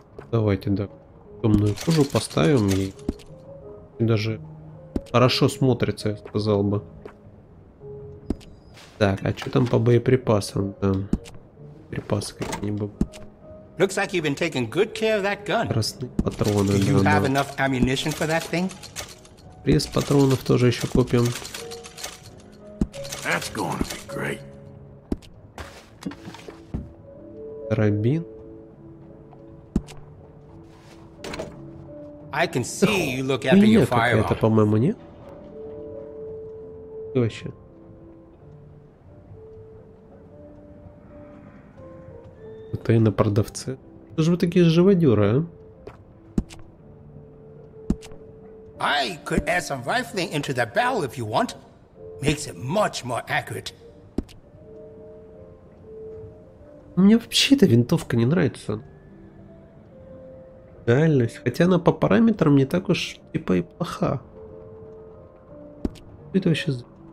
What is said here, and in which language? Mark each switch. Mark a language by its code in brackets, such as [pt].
[ru] Давайте, да. Темную кожу поставим ей. И даже хорошо смотрится, я сказал бы. Так, а что там по боеприпасам? Там припасы какие-нибудь. [en] Looks like you've been taking good care of that gun. [ru] Красные патроны. [en] Do you have enough ammunition for that thing? [ru] Пресс патронов тоже еще купим. [en] That's gonna be great. [ru] Карабин. [en] I can see you look after your firearm. [ru] Это, по-моему, не. Что вообще? Это и на продавце. Что же вы такие живодеры, а? [en] I could add some rifling into the barrel if you want. Makes it much more accurate. [ru] Мне вообще эта винтовка не нравится. Дальность. Хотя она по параметрам не так уж типа и плоха. Что это вообще за...